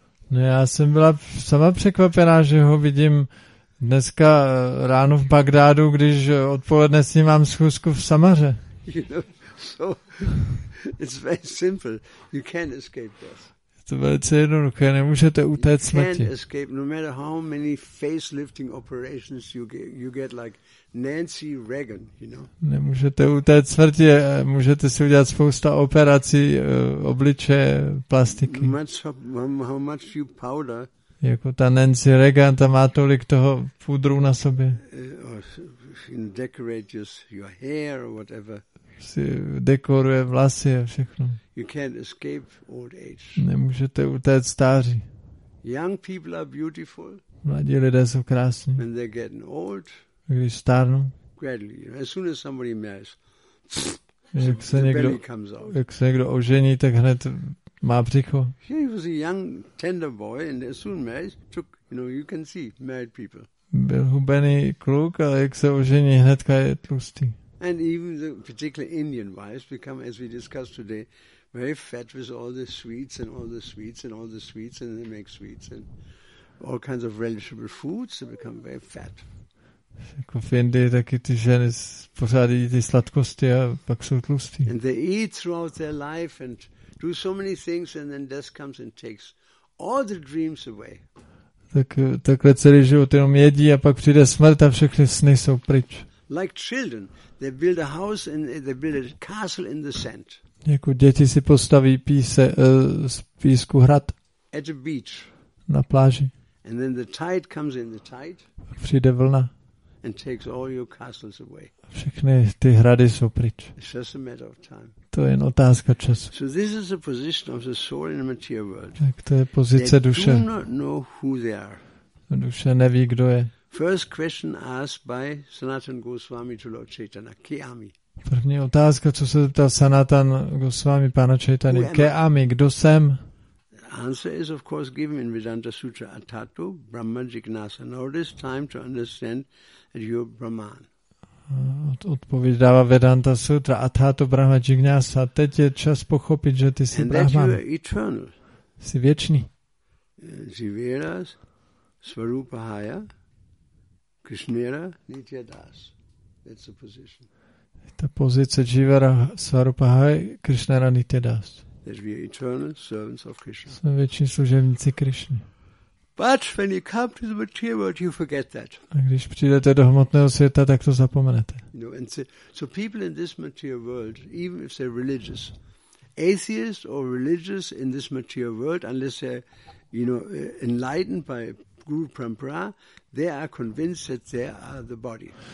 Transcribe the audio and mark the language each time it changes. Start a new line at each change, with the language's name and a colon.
Czech: No, já jsem byla sama překvapená, že ho vidím dneska ráno v Bagdádu, když odpoledne s ním mám schůzku v Samaře.
English: So it's very simple. You can't escape death.
Czech: To velice jednoduché, nemůžete utéct smrti.
English: You can't escape, no matter how many facelifting operations you get like Nancy Reagan, you know.
Czech: Nemůžete utéct smrti, můžete si udělat spousta operací obliče, plastiky.
English: How much you powder?
Czech: Jako ta Nancy Reagan, ta má tolik toho pudru na sobě.
English: In decorate your hair or whatever.
Czech: Si dekoruje vlasy a všechno.
English: You can't escape old age.
Czech: Nemůžete utéct stáří.
English: Young people are beautiful.
Czech: Mladí lidé jsou krásní.
English: When they're getting old.
Czech: Když stárnou.
English: Gradually, as soon as somebody marries,
Czech: jak se někdo ožení, tak hned má břicho.
English: He was a young, tender boy, and as soon marries, took, you know, you can see married people.
Czech: Byl hubený kluk, ale jak se ožení, hnedka je tlustý.
English: And even the particular Indian wives become, as we discussed today, very fat with all the sweets and all the sweets and all the sweets, and they make sweets and all kinds of relishable foods. They become very fat.
Czech: jako v Indii taky ty ženy pořád jí ty sladkosti a pak jsou tlustý.
English: And they eat throughout their life and do so many things and then death comes and takes all the dreams away.
Czech: Tak, takhle celý život jenom jedí a pak přijde smrt a všechny sny jsou pryč.
English: Like children, they build a house and they build a castle in the sand.
Czech: Jako děti si postaví píse, z písku hrad.
English: At the beach.
Czech: Na pláži.
English: And then the tide comes in the tide.
Czech: A přijde vlna.
English: And takes all your castles away.
Czech: Všechny ty hrady jsou pryč.
English: It's just a matter of time.
Czech: To je jen otázka času.
English: So this is the position of the soul in the material world.
Czech: Tak to je pozice duše.
English: They do not know who they are.
Czech: Duše neví, kdo je.
English: First question asked by Sanatan Goswami to Lord Chaitanya,
Bangla: ke ami.
Czech: První otázka, co se zeptal Sanatan Goswami, pana Chaitanya,
Bangla: ke ami,
Czech: kdo jsem?
English: Answer is of course given in Vedanta Sutra
Sanskrit: Atato, Brahma Jignasa.
English: Now it is time to understand that you are Brahman.
Czech: Odpověď dává Vedanta Sutra
Sanskrit: Atato, Brahma Jignasa.
Czech: Teď je čas pochopit, že ty jsi
English: and
Czech: Brahman.
English: And that you are eternal.
Czech: Jsi věčný.
Bangla: Jivera, Svarupahaya, Krishnera, Nitya Das.
English: That's the position.
Czech: Ta pozice
Bangla: Jivera, Svarupahaya, Krishnera, Nitya Das.
English: That we are eternal servants of Krishna.
Czech: Jsme věční služebníci Krishny.
English: But when you come to the material world, you forget that.
Czech: A když přijdete do hmotného světa, tak to zapomenete.
English: You know, and so people in this material world, even if they're religious, atheists or religious in this material world, unless they're, you know, enlightened by Guru Parampara, they are convinced that they are the body.